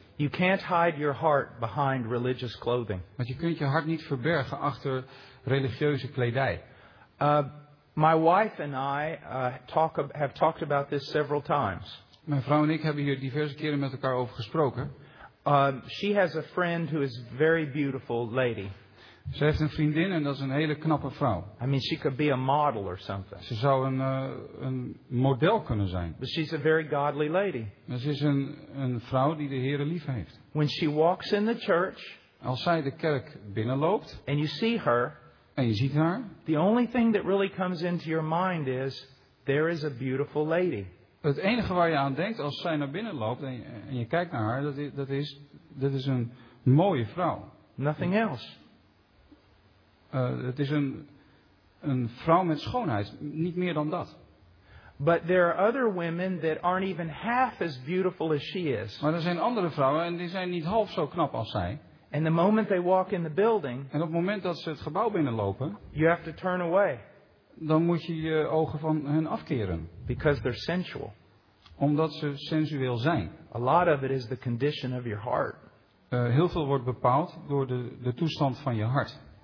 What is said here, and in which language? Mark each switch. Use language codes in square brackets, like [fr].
[en] You can't hide your heart behind religious clothing. [nl] Want je kunt je hart niet verbergen achter religieuze kledij. [en] My wife and I have talked about this several times. [nl] Mijn vrouw en ik hebben hier diverse keren met elkaar over gesproken. [en] She has a friend who is a very beautiful lady. [nl] Ze heeft een vriendin en dat is een hele knappe vrouw. [en] I mean, she could be a model or something. [nl] Ze zou een model kunnen zijn. [en] But she's a very godly lady. [nl] Maar ze is een vrouw die de Heere lief heeft. [en] When she walks in the church, [nl] als zij de kerk binnenloopt, [en] and you see her, [nl] en je ziet haar, [en] the only thing that really comes into your mind is there is a beautiful lady. [nl] Het enige waar je aan denkt als zij naar binnen loopt en je kijkt naar haar, dat is een mooie vrouw. [en] Nothing else. [nl] Het is een vrouw met schoonheid, niet meer dan dat. [en] But there are other women that aren't even half as beautiful as she is. [nl] Maar er zijn andere vrouwen en die zijn niet half zo knap als zij. [en] And the moment they walk in the building, [nl] en op het moment dat ze het gebouw binnenlopen, [en] you have to turn away. [nl] Dan moet je je ogen van hen afkeren. [en] Because they're sensual. [nl] Omdat ze sensueel zijn. [en] A lot of it is the condition of your heart. [nl] Heel veel wordt bepaald door de toestand van je hart.